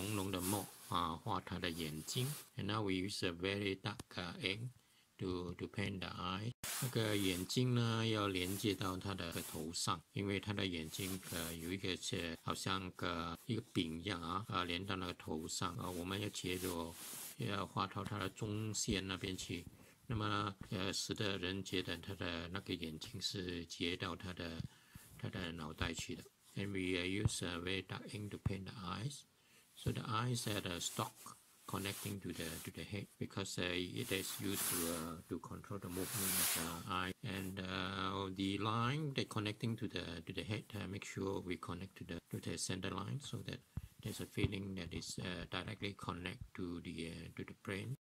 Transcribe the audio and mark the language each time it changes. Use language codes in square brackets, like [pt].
[zh] 我们就用浓浓的墨画它的眼睛。 [en] And now we use a very dark ink to paint the eye. [zh] 那个眼睛呢要连接到它的头上，因为它的眼睛有一个好像个一个饼一样啊，连到那个头上啊。我们要接着要画到它的中线那边去，那么使得人觉得它的那个眼睛是接到它的脑袋去的。 [en] And we use a very dark ink to paint the eyes. So the eyes had a stalk connecting to the head, because it is used to control the movement of the eye. And the line that connecting to the head, make sure we connect to the center line, so that there's a feeling that is directly connect to the brain.